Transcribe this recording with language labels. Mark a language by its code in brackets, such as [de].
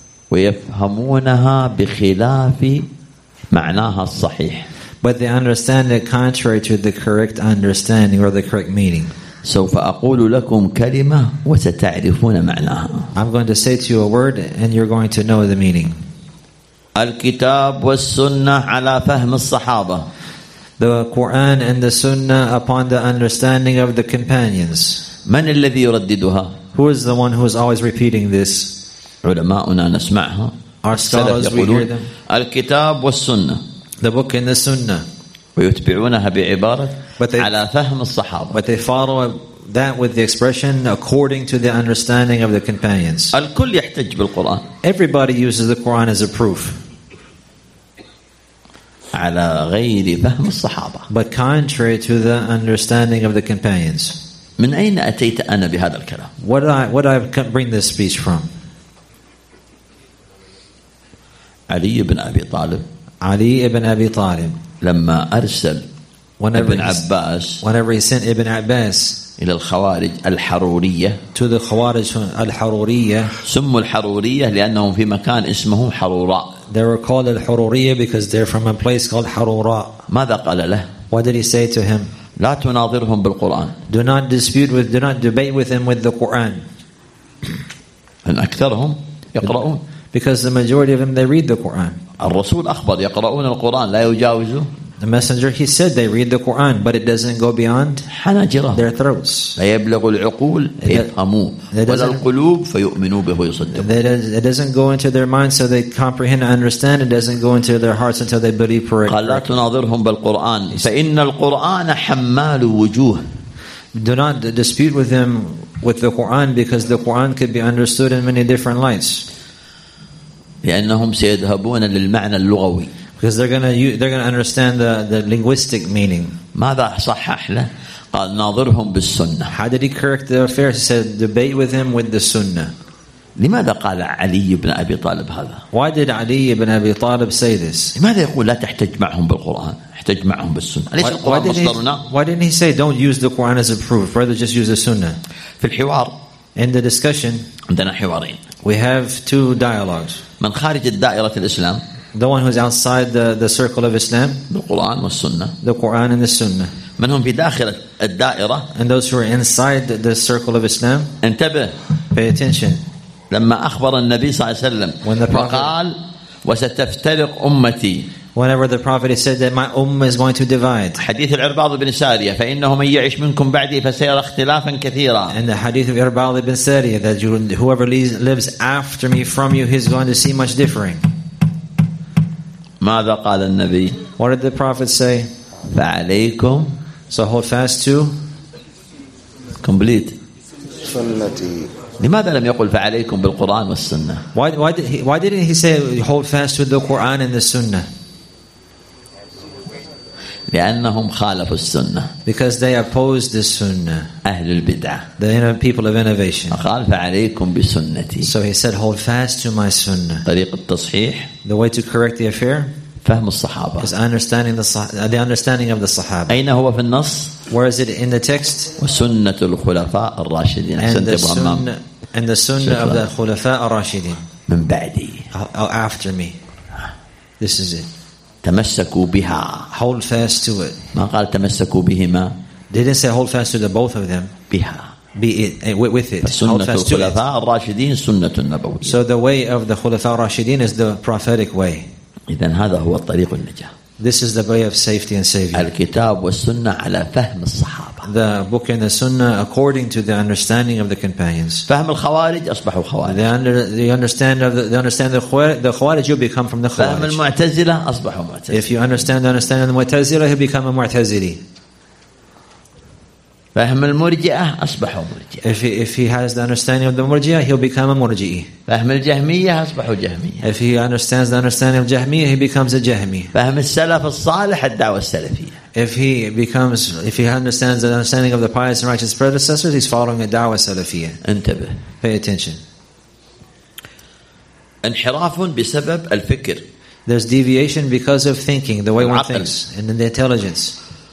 [ar] ويفهمونها بخلاف معناها الصحيح. [en] But they understand it contrary to the correct understanding or the correct meaning. [ar] سوف أقول لكم كلمة وستعرفون معناها. [en] I'm going to say to you a word and you're going to know the meaning. [ar] الكتاب والسنة على فهم الصحابة. [en] The Quran and the Sunnah upon the understanding of the companions. [ar] من الذي يرددها؟ [en] Who is the one who is always repeating this? [ar] علماؤنا نسمعها. [en] Our scholars, we hear them. [ar] الكتاب والسنة. [en] The book and the Sunnah. [ar] ويتبعونها بعبارة على فهم الصحابة. [en] But they follow that with the expression according to the understanding of the companions. [ar] الكل يحتج بالقرآن. [en] Everybody uses the Quran as a proof. [ar] على غير فهم الصحابة. [en] But contrary to the understanding of the companions. [ar] من أين أتيت أنا بهذا الكلام؟ [en] What I bring this speech from? [ar] علي بن أبي طالب. علي بن أبي طالب. لما أرسل ابن عباس. [en] Whenever he sent ابن عباس. [ar] إلى الخوارج الحرورية. [en] To the Khawarij الحرورية. [ar] سموا الحرورية لأنهم في مكان اسمه حروراء. [en] They were called الحرورية because they're from a place called حروراء. [ar] ماذا قال له؟ [en] What did he say to him? [ar] لا تناظرهم بالقرآن. [en] Do not debate with them with the Quran. [ar] أن أكثرهم يقرؤون. [en] Because the majority of them, they read the Quran. [ar] الرسول أخبر يقرؤون القرآن لا يجاوزوا. [en] The messenger, he said, they read the Quran, but it doesn't go beyond [ar] حناجرهم. [en] Their throats. [ar] لا يبلغ العقول فيفهموه. ولا القلوب فيؤمنوا به ويصدقوا. [en] It doesn't go into their minds, so they comprehend and understand. It doesn't go into their hearts until they believe for it. [ar] قال لا تناظرهم بالقرآن. فإن القرآن حمال وجوه. [en] Do not dispute with them with the Quran, because the Quran could be understood in many different lights. [ar] لأنهم سيذهبون للمعنى اللغوي. [en] Because they're gonna understand the linguistic meaning. [ar] ماذا صحح له؟ قال ناظرهم بالسنة. [en] How did he correct the affair? He said debate with him with the Sunnah. [ar] لماذا قال علي بن أبي طالب هذا؟ [en] Why did Ali ibn Abi Talib say this? [ar] لماذا يقول لا تحتج معهم بالقرآن؟ احتج معهم بالسنة. أليس القرآن مصدرنا؟ [en] Why didn't he say don't use the Quran as a proof, rather just use the Sunnah? [ar] في الحوار. [en] In the discussion. [ar] عندنا حوارين. [en] We have two dialogues. [ar] من خارج الدائرة الإسلام. [en] The one who's outside the circle of Islam. The Quran and the Sunnah. The Quran and the Sunnah. [ar] من هم في داخل الدائرة. [en] And those who are inside the circle of Islam. [ar] انتبه. [en] Pay attention. [ar] لما أخبر النبي صلى الله عليه وسلم. [en] When the Prophet. [ar] وقال وستفترق أمتي. [en] Whenever the Prophet said that my ummah is going to divide. [ar] حديث العرباض بن سارية فإنه من يعيش منكم بعدي فسيرى اختلافا كثيرا. [en] And the hadith of العرباض بن سارية that whoever lives after me from you, he's going to see much differing. [ar] ماذا قال النبي؟ [en] What did the Prophet say? [ar] فعليكم. [en] So hold fast to. Complete. [ar] سنتي. لماذا لم يقل فعليكم بالقرآن والسنة؟ [en] Why didn't he say hold fast to the Quran and the Sunnah? [ar] لأنهم خالفوا السنة. [en] Because they opposed the Sunnah. [ar] أهل البدعة. [en] The people of innovation. [ar] قال فعليكم بسنتي. [en] So he said hold fast to my Sunnah. [ar] طريق التصحيح. [en] The way to correct the affair. [ar] فهم الصحابة. [en] Is understanding the understanding of the Sahaba. [ar] أين هو في النص؟ [en] Where is it in the text? [ar] وسنة الخلفاء الراشدين. [en] And the Sunnah of the خلفاء الراشدين. [ar] من بعدي. [en] After me. This is it. [ar] تمسكوا بها. [en] Hold fast to it. [ar] ما قال تمسكوا بهما. [en] They didn't say hold fast to the both of them. [ar] بها. [en] Be it with it. [ar] سنة الخلفاء الراشدين سنة النبوية. [en] So the way of the خلفاء الراشدين is the prophetic way. [ar] إذن هذا هو الطريق النجاة. [en] This is the way of safety and savior. [ar] الكتاب والسنة على فهم الصحابة. [en] The book and the Sunnah according to the understanding of the companions. [ar] فهم الخوارج أصبحوا خوارج. [en] They understand the Khawarij, you become from the Khawarij. [ar] فهم المعتزلة أصبحوا معتزلة. [en] If you understand the Mu'tazila, you become a Mu'tazili. [ar] فهم المرجئة أصبحوا مرجئة. [en] If he has the understanding of the murji'ah, he'll become a murji'i. [ar] فهم الجهمية أصبحوا جهمية. [en] If he understands the understanding of جهمية, he becomes a جهمي. [ar] فهم السلف الصالح الدعوة السلفية. [en] If he understands the understanding of the pious and righteous predecessors, he's following a دعوة سلفية. [ar] انتبه. [en] Pay attention. [ar] انحراف بسبب الفكر. [en] There's deviation because of thinking, the way one thinks, and then the intelligence.